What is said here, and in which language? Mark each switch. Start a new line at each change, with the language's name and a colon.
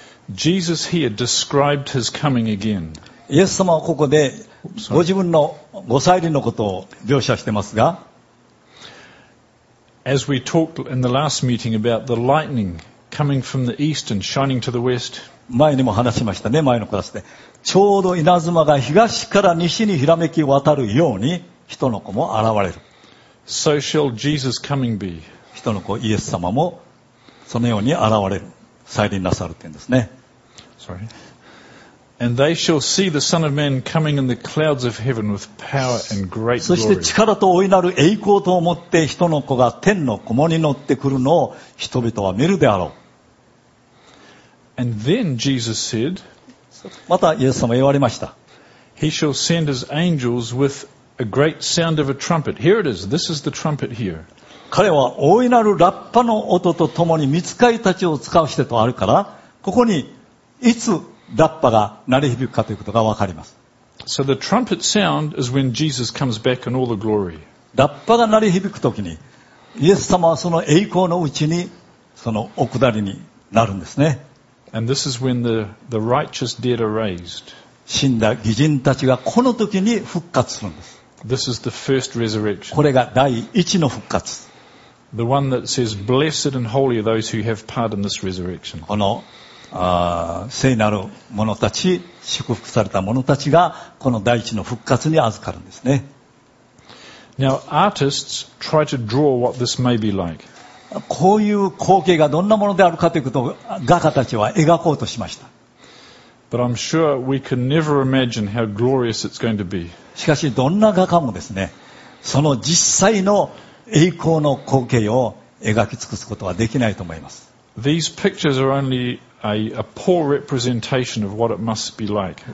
English: Jesus here described his coming again.
Japanese: イエス様はここでご自分のご再臨のことを描写してますが、
English: As we talked in the last meeting about the lightning coming from the east and shining to the west.
Japanese: 前にも話しましたね、前のクラスで。ちょうど稲妻が東から西にひらめき渡るように人の子も現れる。
English: So shall Jesus coming be.
Japanese: 人の子イエス様もそのように現れる。再臨なさるって言うんですね。
English: Sorry. And they shall see the Son of Man coming in the clouds of heaven with power and great glory.
Japanese: そして力と大いなる栄光と思って人の子が天の雲に乗ってくるのを人々は見るであろう。
English: And then Jesus said,
Japanese: またイエス様は言われました。
English: He shall send his angels with a great sound of a trumpet. Here it is. This is the trumpet here.
Japanese: 彼は大いなるラッパの音とともに御使いたちを使わしてとあるから、ここにいつラッパが鳴り響くかということがわかります。
English: So the trumpet sound is when Jesus comes back in all the glory.
Japanese: ラッパが鳴り響くときに、イエス様はその栄光のうちにそのお下りになるんですね。
English: And this is when the righteous dead are raised.
Japanese: 死んだ義人たちがこの時に復活するんです。
English: This is the first resurrection.
Japanese: これが第一の復活。
English: The one that says, "Blessed and holy are those who have part in this resurrection."
Japanese: この聖なる者たち、祝福された者たちがこの第一の復活に預かるんですね。
English: Now, artists try to draw what this may be like.
Japanese: こういう光景がどんなものであるかということを画家たちは描こうとしました。
English: But I'm sure we can never imagine how glorious it's going to be.
Japanese: しかしどんな画家もですね、その実際の栄光の光景を描き尽くすことはできないと思います。
English: These pictures are only a poor representation of what it must be like.